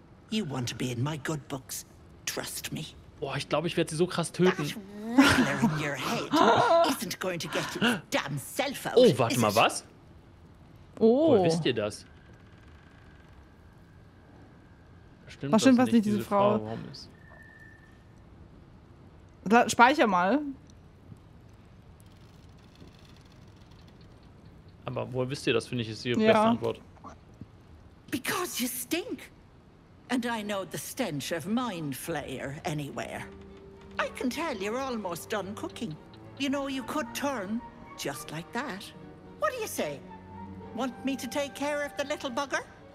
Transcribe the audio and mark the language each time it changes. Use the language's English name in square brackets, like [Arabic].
[English] You want to be in my good books. Trust me. [German] Boah, ich glaube, ich werde sie so krass töten. Oh, warte mal, was? Oh. Woher wisst ihr das? Stimmt, was stimmt, was nicht diese Frau? Warum ist? Speicher mal. Aber woher wisst ihr das, finde ich, ist die beste Antwort. [English] Because you stink. And I know the stench of mind flayer anywhere. I can tell you're almost done cooking. You know, you could turn just like that. What do you say? Want me to take care of the little bugger?